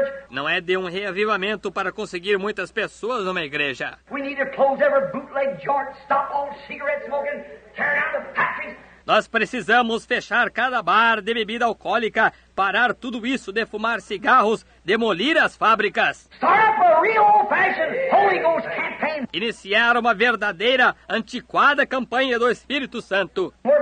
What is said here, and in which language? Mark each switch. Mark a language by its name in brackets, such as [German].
[Portuguese] Não é de um reavivamento para conseguir muitas pessoas numa igreja. [English] We need to close every bootleg joint, stop all cigarette smoking, tear down the factories, [Portuguese] Nós precisamos fechar cada bar de bebida alcoólica, parar tudo isso de fumar cigarros, demolir as fábricas. [English] Start up a real old-fashioned Holy Ghost campaign. [Portuguese] Iniciar uma verdadeira, antiquada campanha do Espírito Santo.